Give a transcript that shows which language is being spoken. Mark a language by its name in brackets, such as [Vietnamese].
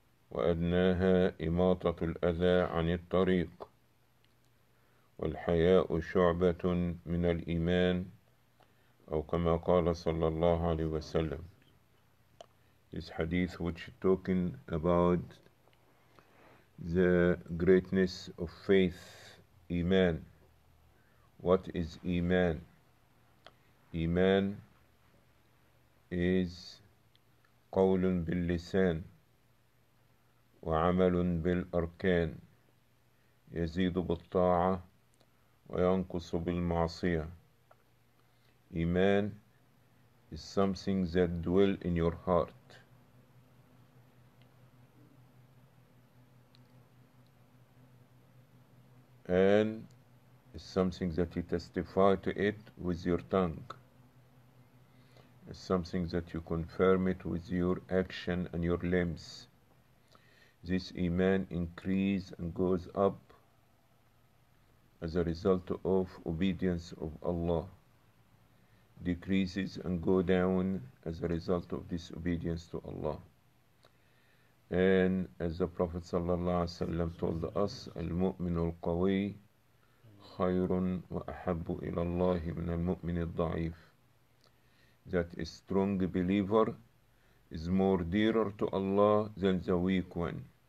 [Arabic] وأدناها إماطة الأذى عن الطريق، والحياء شعبة من الإيمان، أو كما قال صلى الله عليه وسلم. [English] This hadith, which is talking about the greatness of faith, Iman. What is Iman? Iman is [Arabic] قول باللسان وعمل بالأركان، يزيد بالطاعة وينقص بالمعصية. [English] Iman is something that dwells in your heart. And it's something that you testify to it with your tongue. It's something that you confirm it with your action and your limbs. This iman increases and goes up as a result of obedience of Allah. Decreases and go down as a result of disobedience to Allah. And as the Prophet ﷺ told us, [Arabic] المؤمن القوي خير وأحب إلى الله من المؤمن الضعيف. [English] That a strong believer is more dearer to Allah than the weak one.